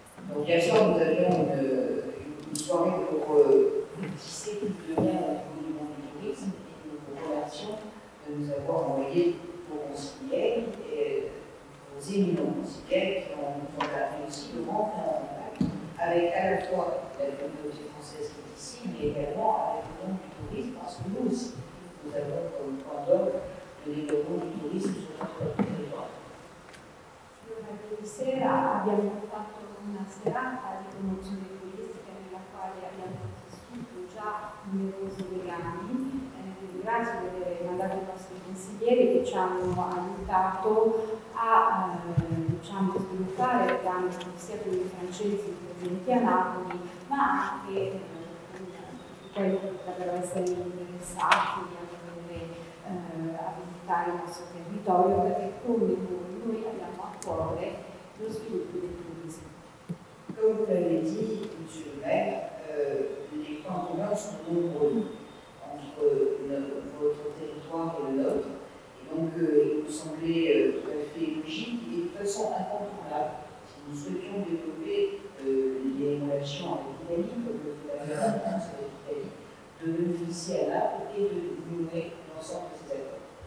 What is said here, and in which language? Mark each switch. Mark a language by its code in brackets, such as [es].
[fr] Donc, bien sûr, nous avions une soirée pour tisser tout de même au niveau du monde du tourisme et nous vous remercions de nous avoir envoyé pour vos signes et vos éminents musicaires qui ont nous permis aussi de rentrer en contact avec à la fois la communauté française qui est ici, mais également avec le monde du tourisme, parce que nous aussi, nous avons comme point d'ordre le développement du tourisme sur notre territoire. Le matin de [it] una serata di promozione turistica nella quale abbiamo vissuto già numerosi legami. Grazie di aver mandato i nostri consiglieri che ci hanno aiutato a diciamo, sviluppare legami sia con i francesi presenti a Napoli, ma anche quelli che potrebbero essere interessati a visitare il nostro territorio, perché come noi abbiamo a cuore lo sviluppo del turismo. [fr] Comme vous l'avez dit, monsieur le maire, les points communs sont nombreux entre votre territoire et le nôtre. Et donc, il nous semblait tout à fait logique et de façon incontournable. Si nous souhaitions développer les relations avec l'Italie, comme vous l'avez dit, avec l'Italie, de nous initier à Naples et de nouer l'ensemble de ces accords.